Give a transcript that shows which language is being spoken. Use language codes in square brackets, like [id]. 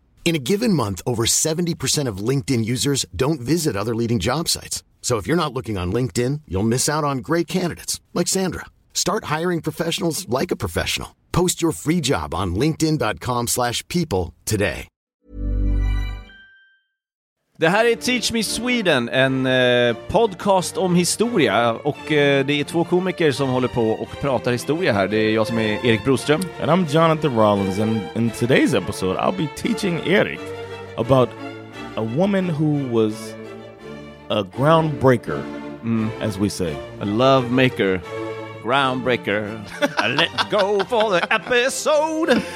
[en] In a given month, over 70% of LinkedIn users don't visit other leading job sites. So if you're not looking on LinkedIn, you'll miss out on great candidates, like Sandra. Start hiring professionals like a professional. Post your free job on linkedin.com/people today. [sv] Det här är Teach Me Sweden, en podcast om historia, och det är två komiker som håller på och pratar historia här. Det är jag som är Erik Broström. [en] And I'm Jonathan Rollins, and in today's episode I'll be teaching Erik about a woman who was a groundbreaker, as we say. A love maker. Groundbreaker. Let's go for the episode.